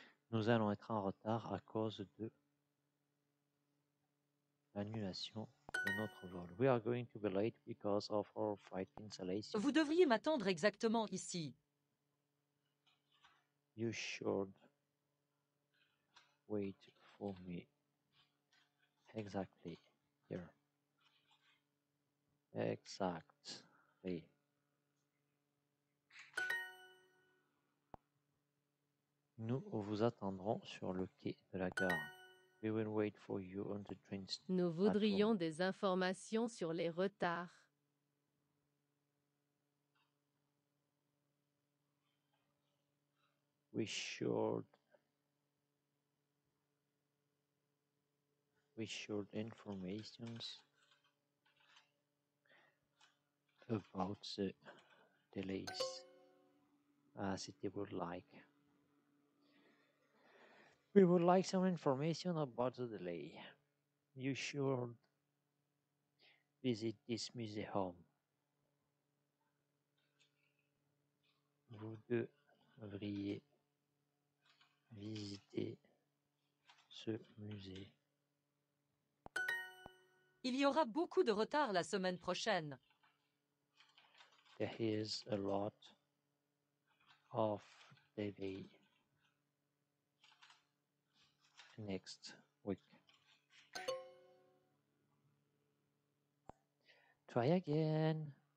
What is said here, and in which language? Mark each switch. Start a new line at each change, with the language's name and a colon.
French: Nous allons être en retard à cause de l'annulation de notre vol.
English: We are going to be late because of our flight cancellation.
French: Vous devriez m'attendre exactement ici.
English: You should wait for me exactly here. Exactly.
French: Nous vous attendrons sur le quai de la gare.
English: We will wait for you on the train station.
French: Nous voudrions des informations sur les retards.
English: We should informations about the delays as it would like. We would like some information about the delay. You should visit this museum.
French: Vous devriez visiter ce musée. Il y aura beaucoup de retard la semaine prochaine.
English: There is a lot of delay next week. Try again.